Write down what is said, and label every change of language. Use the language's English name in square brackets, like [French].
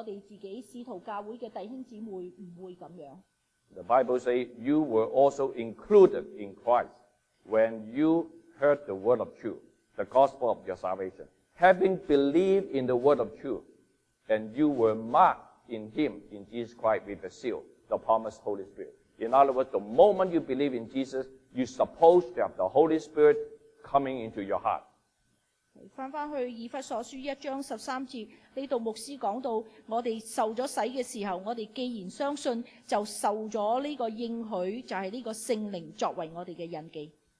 [Chinese] 在以前有這些個案,我就祈禱,我希望我們自己使徒教會的弟兄姊妹不會這樣。 [English] The Bible says, you were also included in Christ when you heard the word of truth, the gospel of your salvation. Having believed in the word of truth, and you were marked in him, in Jesus Christ, with the seal, the promised Holy Spirit. In other words, the moment you believe in Jesus, you're supposed to have the Holy Spirit coming into your heart. [Chinese] 回到以弗所書1章13節,你讀牧師講到,我們受了洗的時候,我們既然相信,就受了這個應許,就是這個聖靈作為我們的印記。